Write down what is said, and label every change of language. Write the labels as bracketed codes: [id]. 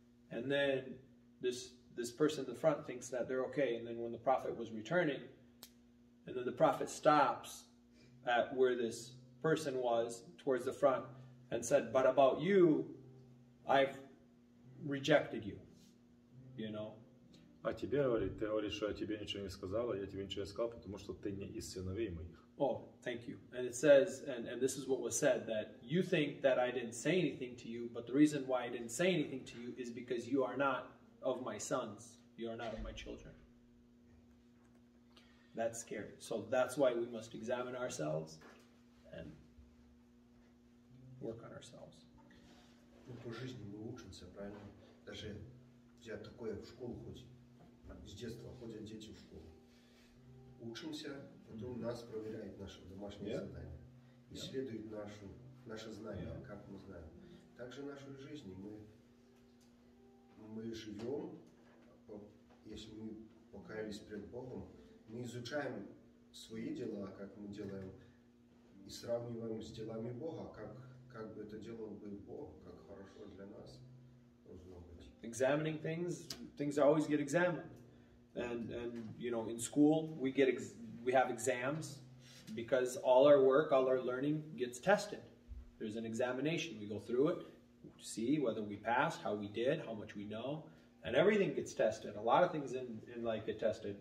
[en] And then this person in the front thinks that they're okay, and then when the prophet was returning, and then the prophet stops at where this person was towards the front and said, but about you, I've rejected you, you know. [ru] А тебе говорит, ты говоришь, что я тебе ничего не сказал, я тебе ничего не сказал, потому что ты не из сыновей моих. [en] Oh, thank you. And it says, and this is what was said, that you think that I didn't say anything to you, but the reason why I didn't say anything to you is because you are not of my sons, you are not of my children. That's scary. So that's why we must examine ourselves and work on ourselves. [ru] Ну, по жизни мы учимся, правильно? Даже я такое в школу ходил. С детства ходят дети в школу. Учимся, потом нас проверяют наше домашнее задание. Исследуют наше знание, как мы знаем. Также в нашей жизни мы живем, если мы покаялись перед Богом, мы изучаем свои дела, как мы делаем, и сравниваем с делами Бога, как бы это делал бы Бог, как хорошо для нас должно быть. [en] Examining things always get examined. And you know, in school we have exams, because all our work, all our learning gets tested. There's an examination, we go through it. See whether we passed, how we did, how much we know, and everything gets tested. A lot of things in life get tested.